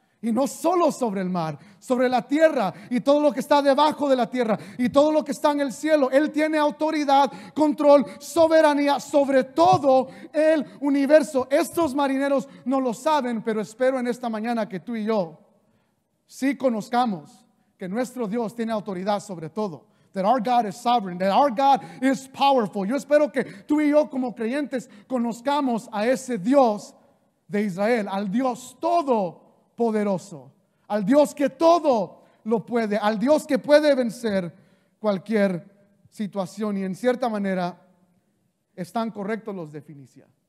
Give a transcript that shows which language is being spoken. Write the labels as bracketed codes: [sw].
[es] Y no solo sobre el mar, sobre la tierra y todo lo que está debajo de la tierra y todo lo que está en el cielo. Él tiene autoridad, control, soberanía sobre todo el universo. Estos marineros no lo saben, pero espero en esta mañana que tú y yo sí conozcamos que nuestro Dios tiene autoridad sobre todo. [en] That our God is sovereign, that our God is powerful. [es] Yo espero que tú y yo como creyentes conozcamos a ese Dios de Israel, al Dios todo poderoso, al Dios que todo lo puede, al Dios que puede vencer cualquier situación. Y en cierta manera están correctos los de Fenicia.